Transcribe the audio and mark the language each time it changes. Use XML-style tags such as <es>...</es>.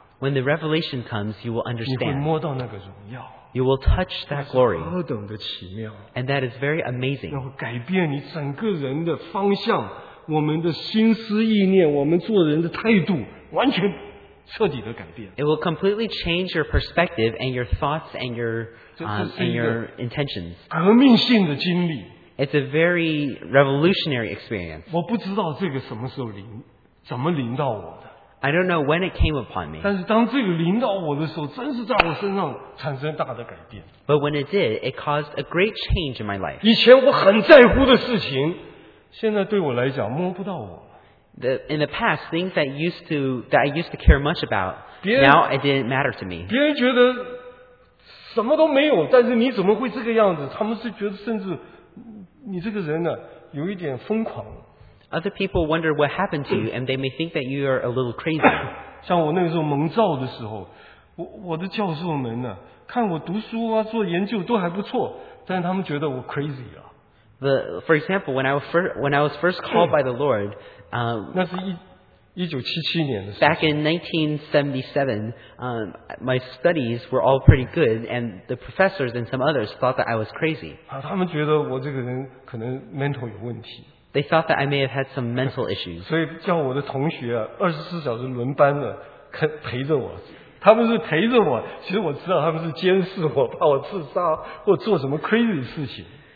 <en>When the revelation comes, you will understand.</en> <zh>你会摸到那个荣耀。</zh> <en>You will touch that glory.</en> <zh>何等的奇妙。</zh> <en>And that is very amazing.</en> <zh>那会改变你整个人的方向，我们的心思意念，我们做人的态度，完全彻底的改变。</zh> <en>It will completely change your perspective and your thoughts and your intentions.</en> <zh>革命性的经历。</zh> <en>It's a very revolutionary experience.</en> <zh>我不知道这个什么时候临，怎么临到我的。</zh> <en>I don't know when it came upon me.</en> <zh>但是当这个临到我的时候，真是在我身上产生大的改变。</zh> <en>But when it did, it caused a great change in my life.</en> <zh>以前我很在乎的事情，现在对我来讲摸不到我。</zh> <en>In the past, things that I used to care much about, now it didn't matter to me.</en> <zh>别人觉得什么都没有，但是你怎么会这个样子？他们是觉得甚至你这个人呢，有一点疯狂。</zh> <en>Other people wonder what happened to you, and they may think that you are a little crazy.</en> <zh>像我那个时候蒙召的时候，我的教授们呢，看我读书啊、做研究都还不错，但他们觉得我 crazy 啊。</zh> <en>For example, when I was first called by the Lord,</en> <zh>那是1977年的时候。</zh> <en>Back in 1977, my studies were all pretty good, and the professors and some others thought that I was crazy.</en> <zh>啊，他们觉得我这个人可能 mental 有问题。</zh> <en>They thought that I may have had some mental issues.</en> <zh>所以叫我的同学啊，24小时轮班的，陪着我。他们是陪着我，其实我知道他们是监视我，怕我自杀或做什么 crazy 事情。</zh>